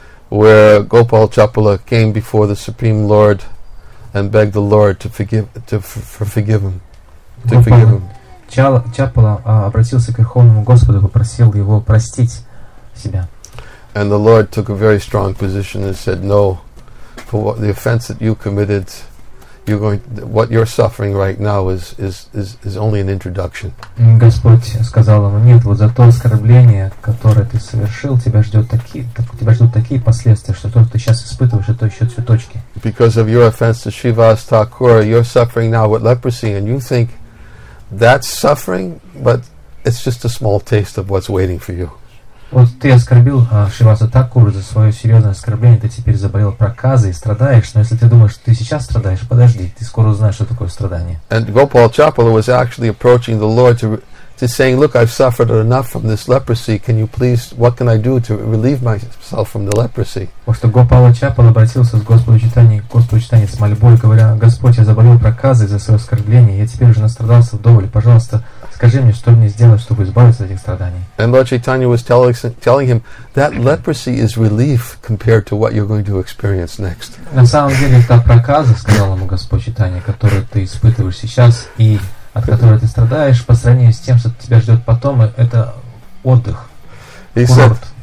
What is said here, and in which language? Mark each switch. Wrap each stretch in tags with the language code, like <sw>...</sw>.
<en>Where Gopal Chapala came before the Supreme Lord and begged the Lord to forgive him.</en> <ru>Чапала обратился к Верховному Господу, попросил его простить себя.</ru> <en>And the Lord took a very strong position and said, "No, for what, the offense that you committed, what you're suffering right now is only an introduction."</en> <ru>Господь сказал ему, нет, вот за то оскорбление, которое ты совершил, тебя ждут такие последствия, что то, что ты сейчас испытываешь, это еще цветочки.</ru> <en>Because of your offense to Shrivas Thakur, you're suffering now with leprosy, and you think that's suffering, but it's just a small taste of what's waiting for you.</en> <ru>Вот ты оскорбил Шриваса Такуру за свое серьезное оскорбление, ты теперь заболел проказой и страдаешь, но если ты думаешь, что ты сейчас страдаешь, подожди, ты скоро узнаешь, что такое страдание.</ru> <en>And Gopal Chapala was actually approaching the Lord to saying, look, I've suffered enough from this leprosy, can you please, what can I do to relieve myself from the leprosy?</en> <ru>Вот что Гопала Чапала обратился к Господу Читания с мольбой, говоря, Господь, я заболел проказой за свое оскорбление, я теперь уже настрадался вдоволь, пожалуйста, скажи мне, что мне сделать, чтобы избавиться от этих страданий.</ru> <en>And Lord Chaitanya was telling him, that leprosy is relief compared to what you're going to experience next.</en> <ru>На самом деле, та проказа, сказал ему Господь Читания, которую ты испытываешь сейчас и от которой ты страдаешь, по сравнению с тем, что тебя ждет потом, это отдых, курорт.</ru>